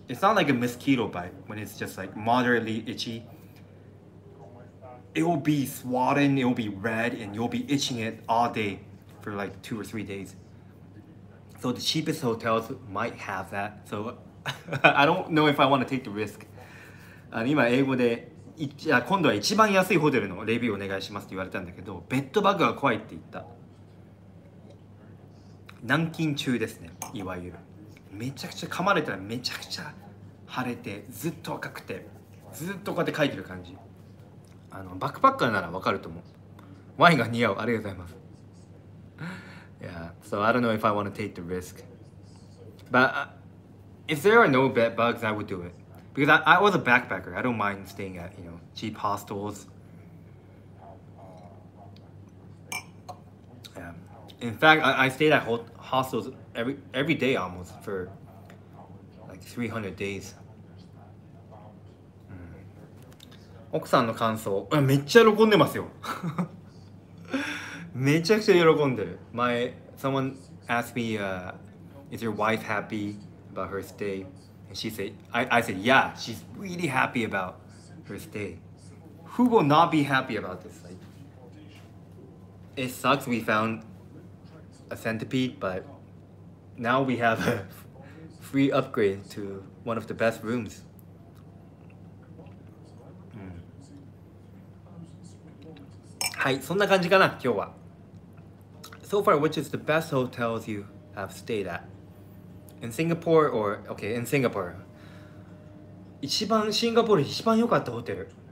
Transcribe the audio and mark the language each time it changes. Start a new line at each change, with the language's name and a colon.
English: It's not like a mosquito bite when it's just like moderately itchy. It will be swollen, it will be red, and you'll be itching it all day for like 2 or 3 days. So the cheapest hotels might have that. So I don't know if I want to take the risk.
Japanese: 今英語で今度は一番安いホテルのレビューお願いしますって言われたんだけど、ベッドバグが怖いって言った。軟禁中ですね、いわゆる。めちゃくちゃ噛まれたらめちゃくちゃ腫れて、ずっと赤くて、ずっとこうやって書いてる感じ。あのバックパッカーならわかると思う。ワインが似合う、ありがとうございます。
English: Yeah, so I don't know if I want to take the risk. But if there are no bed bugs, I would do it. Because I was a backpacker. I don't mind staying at, you know, cheap hostels. Yeah. In fact, I stayed at hostels every day almost for like 300 days.
Japanese: 奥さんの感想、めっちゃ喜んでますよ。めちゃくちゃ喜んでる。
English: Someone asked me, is your wife happy about her stay? She said, I said, yeah, she's really happy about her stay. Who will not be happy about this? Like, it sucks we found a centipede, but now we have a free upgrade to one of the best rooms.
Japanese: はい、そんな感じかな、今日は。
English: So far, which is the best hotels you have stayed at? In Singapore or okay, in Singapore.
Japanese: 一番シンガポール一番良かったホテル。